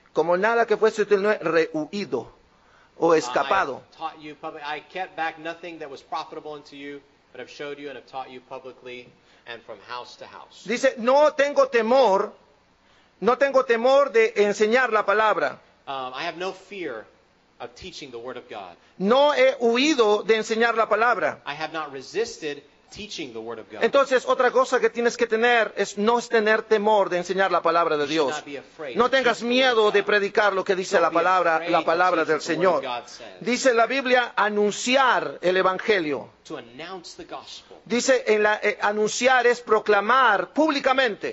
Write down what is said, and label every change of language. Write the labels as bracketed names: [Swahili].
[Spanish] Como nada que fuese útil no he rehuido o escapado. [English] I taught you publicly. I kept back nothing that was profitable unto you, but I've showed you and I've taught you publicly and from house to house. [Spanish] Dice, no tengo temor. No tengo temor de enseñar la palabra. [English] I have no fear. Of teaching the word of God. [Spanish] No he huido de enseñar la palabra. [English] I have not resisted teaching the word of God. [Spanish] Entonces, otra cosa que tienes que tener es no tener temor de enseñar la palabra de Dios. No tengas miedo de predicar lo que dice la palabra del Señor. Dice la Biblia, anunciar el Evangelio. [English] To announce the gospel. [Spanish] Dice, en la, anunciar es proclamar públicamente.